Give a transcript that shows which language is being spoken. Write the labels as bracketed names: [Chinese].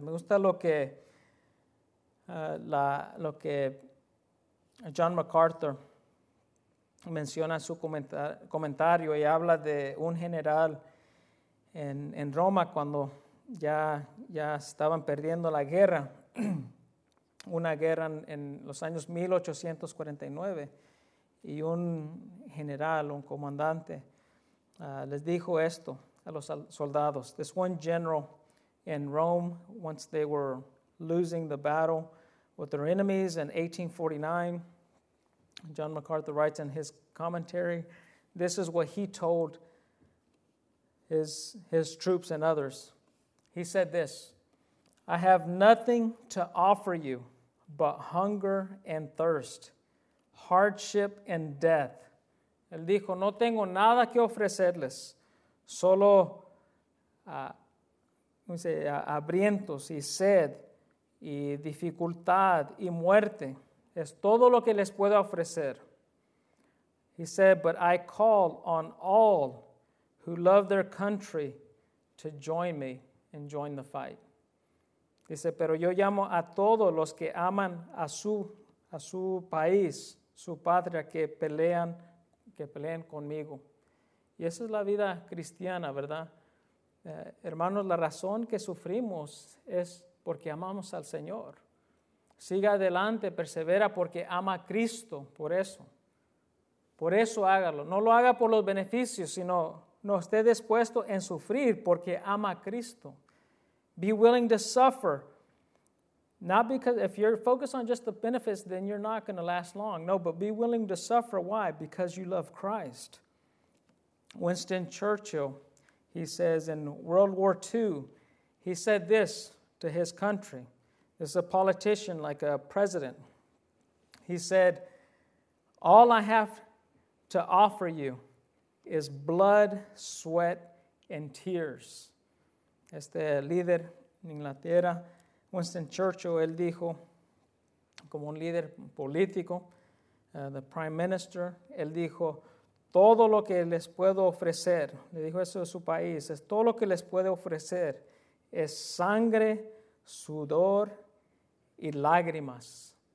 [Spanish] Me gusta lo que John MacArthur menciona en su comentario, y habla de un general en Roma cuando ya estaban perdiendo la guerra, una guerra en los años 1849, y un general, un comandante, les dijo esto a los soldados. [English] This one general in Rome, once they were losing the battle with their enemies in 1849, John MacArthur writes in his commentary, this is what he told his troops and others. He said this, I have nothing to offer you but hunger and thirst, hardship and death. [Spanish] Él dijo, no tengo nada que ofrecerles, solo hambrientos y sed y dificultad y muerte. Es todo lo que les puedo ofrecer. [English] He said, but I call on all who love their country to join me and join the fight. [Spanish] Dice, pero yo llamo a todos los que aman a su país, su patria, que pelean conmigo. Y esa es la vida cristiana, ¿verdad? Hermanos, la razón que sufrimos es porque amamos al Señor. Siga adelante, persevera porque ama a Cristo, por eso. Por eso hágalo. No lo haga por los beneficios, sino no esté dispuesto en sufrir porque ama a Cristo. [English] Be willing to suffer. Not because if you're focused on just the benefits, then you're not going to last long. No, but be willing to suffer. Why? Because you love Christ. Winston Churchill, he says in World War II, he said this to his country. This is a politician, like a president. He said, "All I have to offer you is blood, sweat, and tears." [Spanish] Este líder en Inglaterra, Winston Churchill, él dijo, como un líder político, [English] the prime minister, [Spanish] él dijo, todo lo que les puedo ofrecer, le dijo eso a su país, es todo lo que les puedo ofrecer es sangre, sudor y lágrimas.